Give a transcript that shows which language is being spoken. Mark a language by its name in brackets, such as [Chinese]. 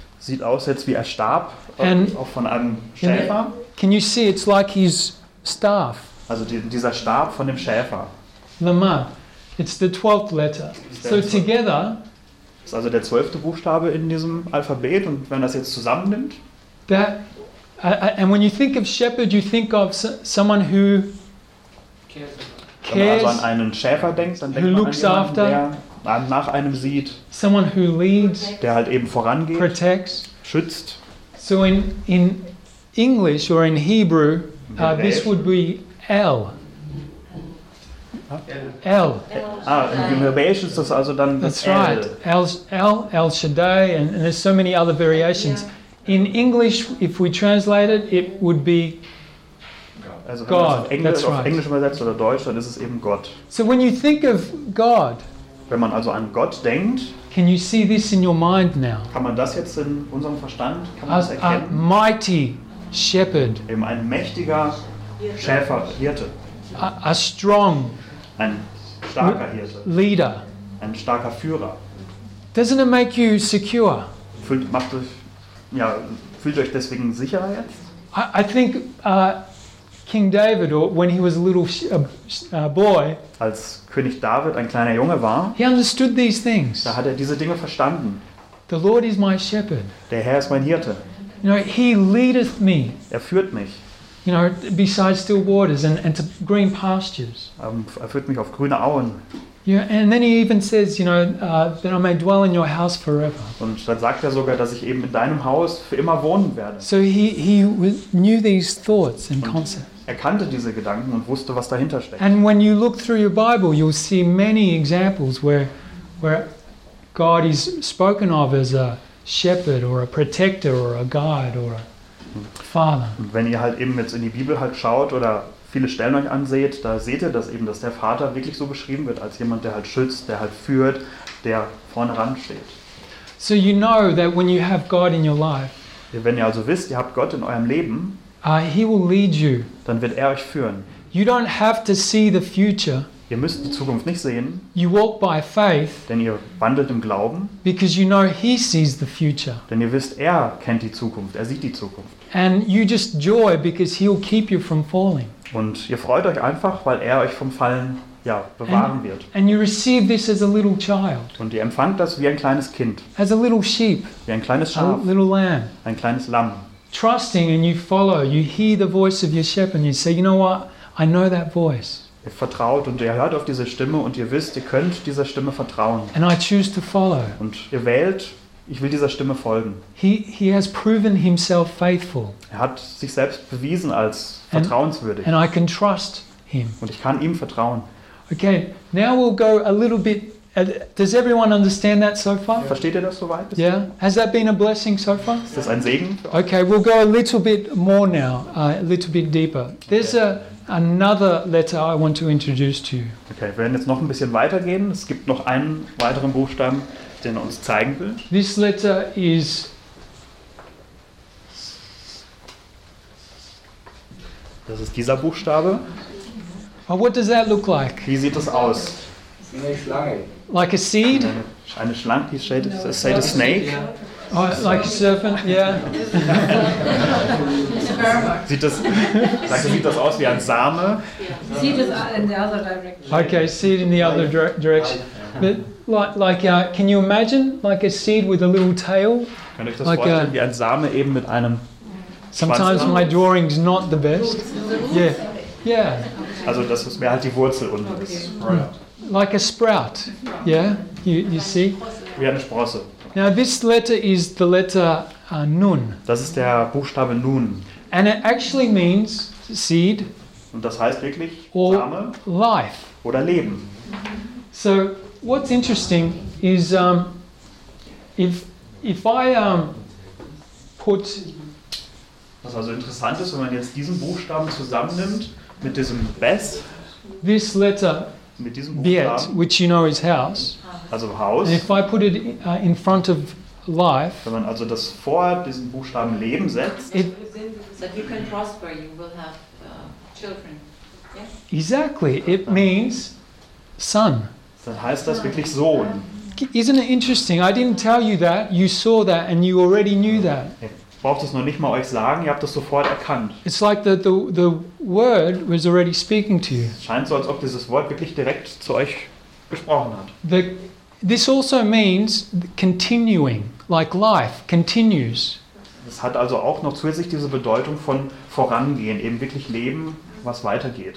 [German] Sieht aus jetzt wie ein Stab, and auch von einem Schäfer. [English] Can you see it's like his staff? [German] Also dieser Stab von dem Schäfer. [English] Lamad. It's the 12th letter. So together. [German] Ist also der 12. Buchstabe in diesem Alphabet und wenn das jetzt zusammennimmt. [English] That. And when you think of shepherd, you think of someone who cares. [German] Wenn man also an einen Schäfer denkt, dann denkt man an jemanden, [English] after, [German] der nach einem sieht. [English] Someone who leads, [German] der halt eben vorangeht, [English] protects, [German] schützt. [English] So in English or in Hebrew, this would be El. El. [German] Im Hebräischen ist das also dann El. [English] That's right. El Shaddai, and there's so many other variations. Yeah. In English, if we translate it, it would be God. [German] Also wenn man auf Englisch übersetzt oder Deutsch, dann ist es eben Gott. [English] So when you think of God, [German] wenn man also an Gott denkt, [English] can you see this in your mind now? [German] Kann man das jetzt in unserem Verstand, kann man das erkennen? [English] A mighty shepherd. [German] Eben ein mächtiger Schäfer, Hirte. [English] A strong. [German] Ein starker Hirte. [English] Leader. [German] Ein starker Führer. [English] Doesn't it make you secure? [German] Macht dich ja, fühlt euch deswegen sicherer jetzt? [English] I think King David, or when he was a little boy, [German] als König David ein kleiner Junge war, [English] he understood these things. [German] Da hat er diese Dinge verstanden. [English] The Lord is my shepherd. [German] Der Herr ist mein Hirte. [English] You know, he leadeth me. [German] Er führt mich. [English] You know, beside still waters and to green pastures. [German] Er führt mich auf grüne Auen. [English] Yeah, and then he even says, you know, that I may dwell in your house forever. [German] Und dann sagt er sogar, dass ich eben in deinem Haus für immer wohnen werde. [English] So he knew these thoughts and concepts. [German] Er kannte diese Gedanken und wusste, was dahinter steckt. [English] And when you look through your Bible, you'll see many examples where God is spoken of as a shepherd or a protector or a guide or a father. [German] Und wenn ihr halt eben jetzt in die Bibel halt schaut oder viele Stellen euch anseht, da seht ihr, dass eben, dass der Vater wirklich so beschrieben wird als jemand, der halt schützt, der halt führt, der vorne ran steht. [English] So you know that when you have God in your life. [German] Wenn ihr also wisst, ihr habt Gott in eurem Leben, [English] he will lead you. [German] Dann wird euch führen. [English] You don't have to see the future. [German] Ihr müsst die Zukunft nicht sehen. [English] You walk by faith. [German] Denn ihr wandelt im Glauben. [English] Because you know he sees the future. [German] Denn ihr wisst, kennt die Zukunft. Sieht die Zukunft. [English] And you just joy because he will keep you from falling. [German] Und ihr freut euch einfach, weil euch vom Fallen bewahren wird. [English] And you receive this as a little child. [German] Und ihr empfangt das wie ein kleines Kind. [English] As a little sheep. [German] Wie ein kleines Schaf. [English] A little lamb. [German] Ein kleines Lamm. [English] Trusting and you follow. You hear the voice of your shepherd and you say, you know what? I know that voice. [German] Ihr vertraut und ihr hört auf diese Stimme und ihr wisst, ihr könnt dieser Stimme vertrauen. [English] And I choose to follow. [German] Und ihr wählt, ich will dieser Stimme folgen. [English] He has proven himself faithful. [German] Er hat sich selbst bewiesen als vertrauenswürdig. [English] And I can trust him. [German] Und ich kann ihm vertrauen. [English] Okay, now we'll go a little bit. Does everyone understand that so far? [German] Versteht ihr das soweit? [English] Yeah. Has that been a blessing so far? [German] Ist das ein Segen? [English] Okay, we'll go a little bit more now, a little bit deeper. There's another letter I want to introduce to you. [German] Okay, wir werden jetzt noch ein bisschen weitergehen. Es gibt noch einen weiteren Buchstaben, den er uns zeigen will. [English] This letter is [German] Das ist dieser Buchstabe. [English] Well, what does that look like? [German] Wie sieht das aus? Eine Schlange. [English] Like a seed? [German] Eine Schlange, die [English] shade, no, say the snake. Yeah. Oh, like a serpent, yeah. [German] Sieht das, sieht das aus wie ein Same? [English] Seed is in the other direction. Okay, seed in the other direction. But can you imagine like a seed with a little tail? [German] Könnt ihr euch das vorstellen, wie ein Same eben mit einem [English] Sometimes [German] Schwanz [English] my drawing's not the best. Yeah. Yeah. [German] Also das ist mehr halt die Wurzel unten ist. [English] Right. Like a sprout, yeah, you see? [German] Wie eine Sprosse. [English] Now this letter is the letter Nun. [German] Das ist der Buchstabe Nun. [English] And it actually means seed. [German] Und das heißt wirklich Same. [English] Life. [German] Oder Leben. [English] So what's interesting is if I put. [German] Was also interessant ist, wenn man jetzt diesen Buchstaben zusammennimmt mit diesem Bes. [English] This letter. [German] Mit diesem Buchstaben, [English] Biet, which you know is house. [German] Also Haus. [English] And if I put it in front of life. Wenn man also das vor diesen Buchstaben Leben setzt. If you can prosper, you will have children. Yes? Exactly. It means son. [German] Dann heißt das wirklich Sohn. [English] Isn't it interesting? I didn't tell you that. You saw that and you already knew that. [German] Ihr braucht es noch nicht mal euch sagen. Ihr habt das sofort erkannt. [English] It's like the Word was already speaking to you. [German] Scheint so, als ob dieses Wort wirklich direkt zu euch gesprochen hat. [English] This also means continuing, like life continues. [German] Das hat also auch noch zusätzlich diese Bedeutung von vorangehen, eben wirklich Leben, was weitergeht.